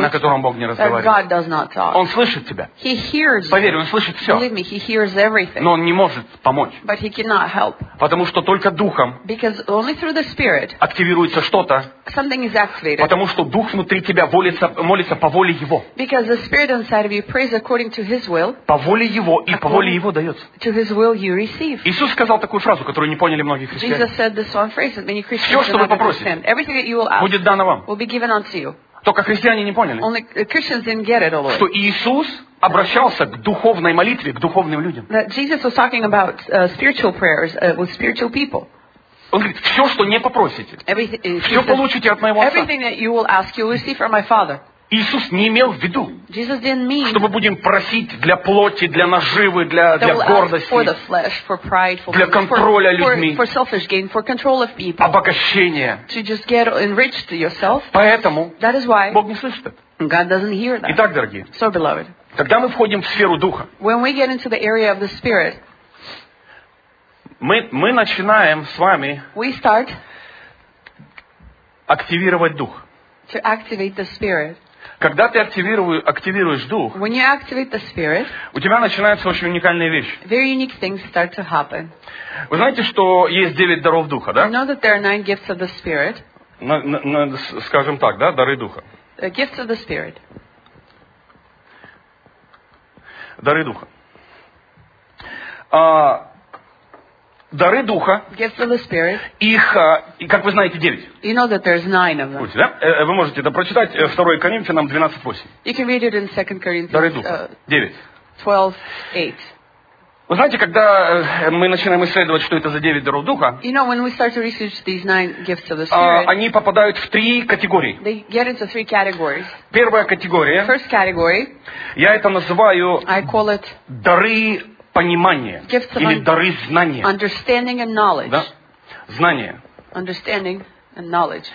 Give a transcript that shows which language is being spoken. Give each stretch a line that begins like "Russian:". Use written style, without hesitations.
Russian: на котором Бог не разговаривает.
English: That God does not talk.
Russian: Он слышит тебя.
English: He hears
Russian: Поверь, Он слышит все.
English: Believe me, he hears everything.
Russian: Но Он не может помочь.
English: But he cannot help.
Russian: Потому что только Духом
English: Because only through the Spirit,
Russian: активируется что-то.
English: Something is activated.
Russian: Потому что Дух внутри тебя молится по воле Его.
English: Because the Spirit inside of you prays according to His will.
Russian: По воле Его и по воле Его дается.
English: To His will you receive.
Russian: Иисус сказал такую фразу, которую не поняли многие христиане.
English: Jesus said this one phrase that many Christians
Russian: Все, что вы попросите,
English: everything that you will ask,
Russian: будет дано вам.
English: Will be given unto you.
Russian: Только христиане не поняли.
English: Only Christians didn't get it, Lord.
Russian: Что Иисус обращался к духовной молитве, к духовным людям.
English: That Jesus was talking about spiritual prayers with spiritual people.
Russian: Он говорит, все, что не попросите,
English: Everything,
Russian: все получите от моего Отца.
English: Everything that you will ask, you will receive from my Father.
Russian: Иисус не имел в виду, что мы будем просить для плоти, для наживы, для гордости,
English: for the flesh, for pride, for
Russian: для контроля людьми,
English: for selfish gain, for control of people,
Russian: обогащение.
English: To just get enriched yourself.
Russian: Поэтому
English: that is why
Russian: Бог не слышит это.
English: God doesn't hear that.
Russian: Итак, дорогие,
English: so, beloved,
Russian: когда мы входим в сферу Духа,
English: when we get into the area of the Spirit,
Russian: Мы начинаем с вами
English: we start
Russian: активировать Дух.
English: To activate the Spirit.
Russian: Когда ты активируешь Дух,
English: when you activate the Spirit,
Russian: у тебя начинается очень уникальная вещь.
English: Very unique things start to happen.
Russian: Вы знаете, что есть 9 даров Духа, да?
English: You know that there are 9 gifts of the Spirit.
Russian: Скажем так, да, дары Духа.
English: Gifts of the Spirit.
Russian: Дары Духа. Дары Духа.
English: Gifts of the Spirit.
Russian: Их, как вы знаете, 9.
English: You know that there's 9 of them.
Russian: Будьте, да? Вы можете это прочитать 2 Коринфянам 12:8.
English: You can read it in 2 Corinthians.
Russian: Дары Духа. 9.
English: 12:8.
Russian: Вы знаете, когда мы начинаем исследовать, что это за 9 даров Духа?
English: You know, when we start to research these 9 gifts of the Spirit.
Russian: Они попадают в 3 категории.
English: They get into 3 categories.
Russian: Первая категория.
English: First category.
Russian: Я это называю.
English: I call it.
Russian: Дары понимание или дары знания.
English: Understanding and knowledge.
Russian: Да? Знание.
English: Understanding and knowledge.